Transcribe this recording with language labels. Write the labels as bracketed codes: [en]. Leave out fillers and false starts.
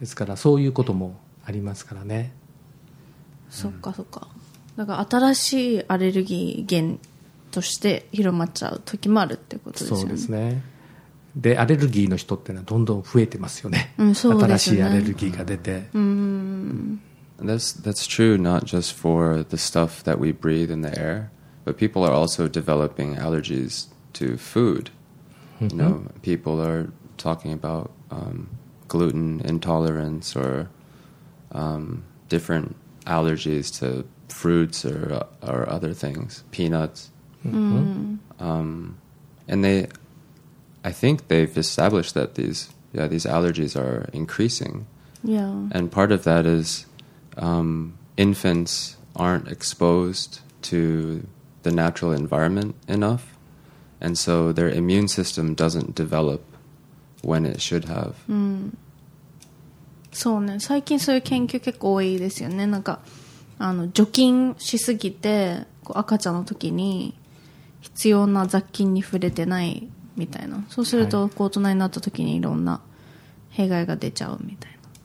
[ja] ですからそういうこともありますからね。そっかそっか、うん、だから新しいアレルギー源として広まっちゃう時もあるってことですよね。そうですね。でアレルギーの人ってのはどんどん増えてますよね、うん、そうですね。新しいアレルギーが出て、うん、 [en] That's true, not just for the stuff that we breathe in the air, but people are also developing allergies to food. Mm-hmm. You know, people are talking about gluten intolerance or different allergies to fruits or other things, peanuts. Mm-hmm. And they, I think they've established that these allergies are increasing. Yeah. And part of that is... infants aren't exposed to the natural environment enough, and so their immune system doesn't develop when it should have. [ja] そうね、最近そういう研究結構多いですよね。なんかあの除菌しすぎてこう赤ちゃんの時に必要な雑菌に触れてないみたいな。そうすると、はい、こう大人になった時にいろんな弊害が出ちゃうみたいな。